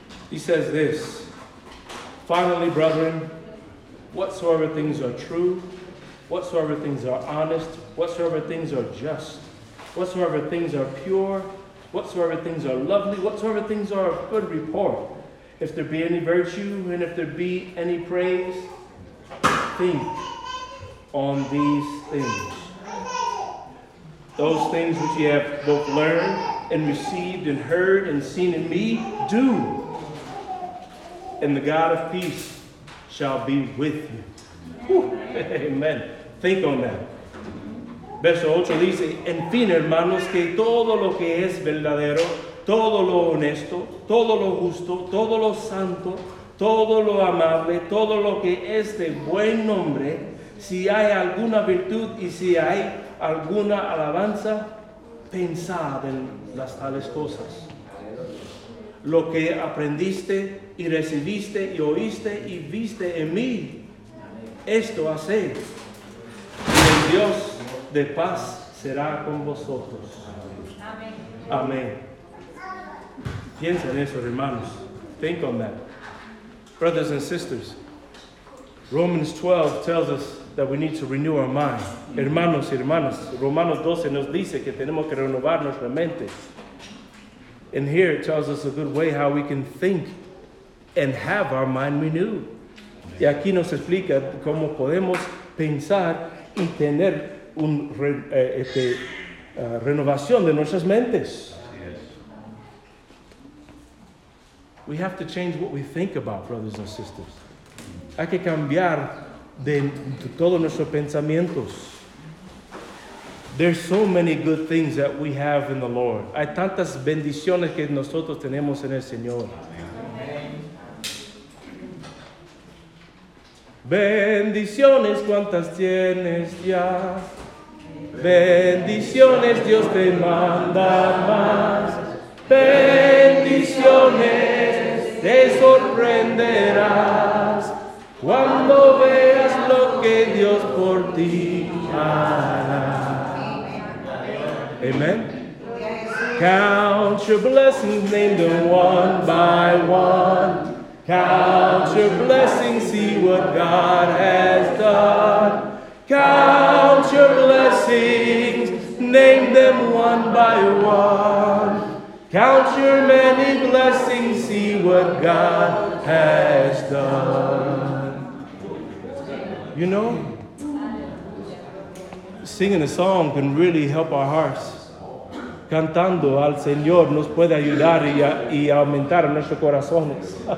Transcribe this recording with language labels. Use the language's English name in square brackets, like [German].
[English] He says this: "Finally, brethren, whatsoever things are true, whatsoever things are honest, whatsoever things are just, whatsoever things are pure, whatsoever things are lovely, whatsoever things are of good report, if there be any virtue and if there be any praise, think on these things. Those things which ye have both learned and received and heard and seen in me, do. And the God of peace shall be with you." Amen. Amen. Think on that. [Spanish] Verso 8 dice, en fin, hermanos, que todo lo que es verdadero, todo lo honesto, todo lo justo, todo lo santo, todo lo amable, todo lo que es de buen nombre, si hay alguna virtud y si hay alguna alabanza, pensad en las tales cosas. Lo que aprendiste y recibiste y oíste y viste en mí, esto haced. Dios de paz será con vosotros. Amén. Amén. Piensen eso, hermanos. [English] Think on that. Brothers and sisters, Romans 12 tells us that we need to renew our mind. [Spanish] Hermanos y hermanas, Romanos 12 nos dice que tenemos que renovar nuestra mente. [English] And here it tells us a good way how we can think and have our mind renewed. [Spanish] Y aquí nos explica cómo podemos pensar y tener un renovación de nuestras mentes. [English] We have to change what we think about, brothers and sisters. [Spanish] Hay que cambiar de todos nuestros pensamientos. [English] There's so many good things that we have in the Lord. [Spanish] Hay tantas bendiciones que nosotros tenemos en el Señor. Bendiciones, cuántas tienes ya. Bendiciones, Dios te manda más. Bendiciones, te sorprenderás cuando veas lo que Dios por ti hará. [English] Amen. Count your blessings, name them one by one. Count your blessings, see what God has done. Count your blessings, name them one by one. Count your many blessings, see what God has done. You know, singing a song can really help our hearts. [Spanish] Cantando al Señor nos puede ayudar y aumentar nuestros corazones.